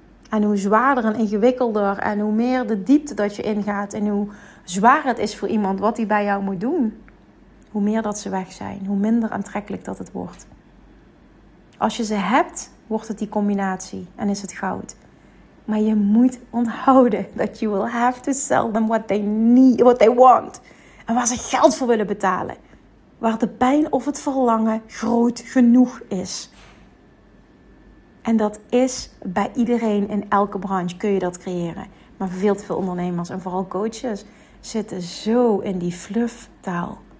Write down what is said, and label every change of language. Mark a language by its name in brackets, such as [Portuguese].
[Dutch] En hoe zwaarder en ingewikkelder en hoe meer de diepte dat je ingaat en hoe zwaar het is voor iemand wat hij bij jou moet doen, hoe meer dat ze weg zijn, hoe minder aantrekkelijk dat het wordt. Als je ze hebt, wordt het die combinatie en is het goud. Maar je moet onthouden dat [English] you will have to sell them what they need, what they want. [Dutch] En waar ze geld voor willen betalen. Waar de pijn of het verlangen groot genoeg is. En dat is bij iedereen in elke branche kun je dat creëren. Maar veel te veel ondernemers en vooral coaches zitten zo in die flufftaal.